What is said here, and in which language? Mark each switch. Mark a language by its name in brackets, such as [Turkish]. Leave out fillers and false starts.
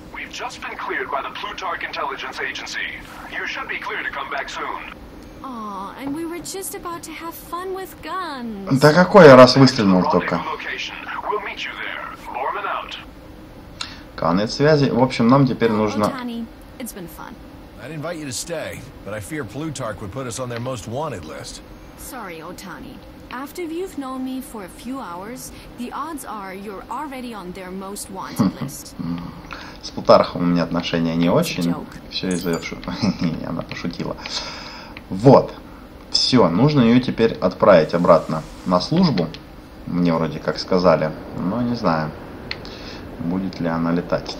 [English] We've just been cleared by the Plutarch Intelligence Agency. You should be clear to come back soon. Aw, and we were just about to have fun with guns. [Russian] Да какой я раз выстрелил только. [English] We'll meet you there. Lorman out. [Russian] Конец связи. В общем, нам теперь нужно. [English] It's been fun. I'd invite you to stay, but I fear Plutarch would put us on their most wanted list. Sorry, Otani. After you've known me for a few hours, the odds are you're already on their most wanted list. [Russian] С Плутархом у меня отношения не очень. Все из-за она пошутила. Вот. Все, нужно ее теперь отправить обратно на службу. Мне вроде как сказали, но не знаю, будет ли она летать.